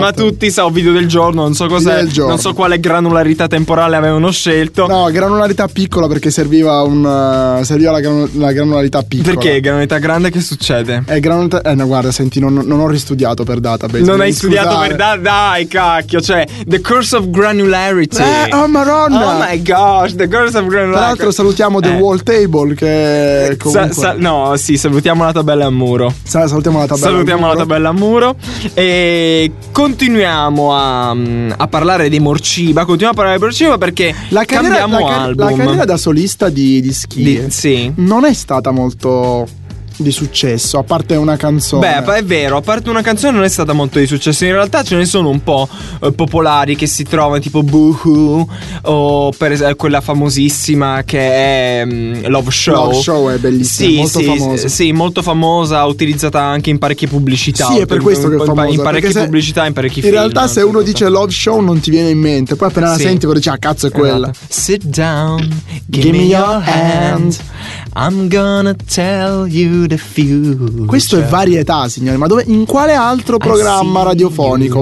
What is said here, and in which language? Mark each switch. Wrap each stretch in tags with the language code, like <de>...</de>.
<it>Ma tutti sa, video del giorno, non so cos'è. Non so quale granularità temporale avevano scelto. No, granularità piccola perché serviva la granularità piccola. Perché granularità grande, che succede? Non ho ristudiato per data. Non hai studiato per data? Dai, cacchio.</it> <en>Cioè, the curse of granularity.</en> <it>Oh, Madonna.</it> <en>Oh my gosh, the curse of granularity.</en> <it>Tra l'altro salutiamo</it> <en>the wall table</en> <it>che comunque... Salutiamo la tabella a muro. Salutiamo la tabella a muro. E continuiamo a parlare dei morciba. Perché la carriera, cambiamo album. La carriera da solista di Ski non è stata molto... di successo, a parte una canzone. Beh, è vero, a parte una canzone non è stata molto di successo. In realtà ce ne sono un po' popolari che si trovano, tipo Boohoo, o per esempio quella famosissima che è Love Show è bellissima, famosa. Sì, molto famosa, utilizzata anche in parecchie pubblicità. Sì, è per questo che è famosa. In parecchie pubblicità, in parecchi in film. In realtà se uno dice Love Show non ti viene in mente. Poi appena la senti poi dici, ah cazzo è quella.</it> <en>Sit down, give me your hand, I'm gonna tell you the future.</en> <it>Questo è varietà, signori. Ma dove, in quale altro programma radiofonico?</it>